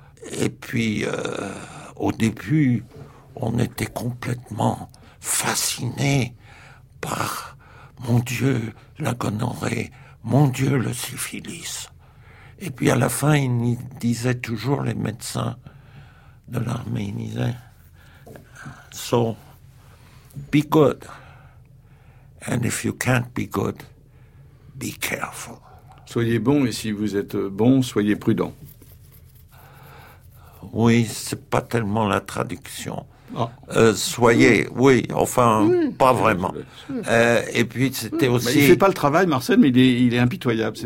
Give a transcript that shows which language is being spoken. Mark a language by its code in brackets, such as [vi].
[fr] Et puis, au début, on était complètement fascinés par, mon Dieu, la gonorrhée, mon Dieu, le syphilis. Et puis, à la fin, ils disaient toujours, les médecins de l'armée, ils disaient, [en] so, be good. And if you can't be good, be careful. [fr] Soyez bon, et si vous êtes bon, soyez prudent. Oui, c'est pas tellement la traduction. Soyez, pas vraiment. Et puis c'était aussi. Il fait pas le travail, Marcel, mais il est impitoyable, c'est